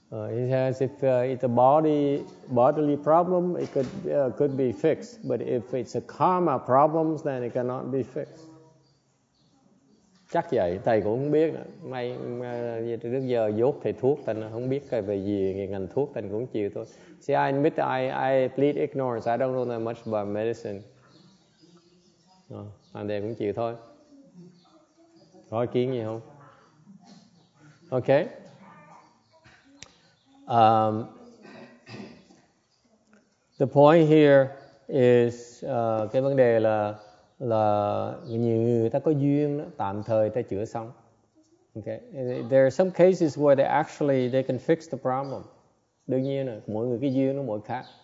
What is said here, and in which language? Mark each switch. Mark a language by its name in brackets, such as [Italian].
[English] He says, if it's a bodily problem, it could be fixed. But if it's a karma problem, then it cannot be fixed. [Vietnamese] Chắc vậy, thầy cũng không biết. May trước giờ dốt thầy thuốc, thầy không biết về gì ngành thuốc, thầy cũng chịu thôi. [English] See, I admit I plead ignorance. I don't know that much about medicine. [Vietnamese] Thầy cũng chịu thôi. Có ý kiến gì không? [English] Okay. The point here is [Vietnamese] cái vấn đề là nhiều người ta có duyên đó, tạm thời ta chữa xong. [English] Okay. There are some cases where they can fix the problem. [Vietnamese] Đương nhiên là mỗi người cái duyên nó mỗi khác.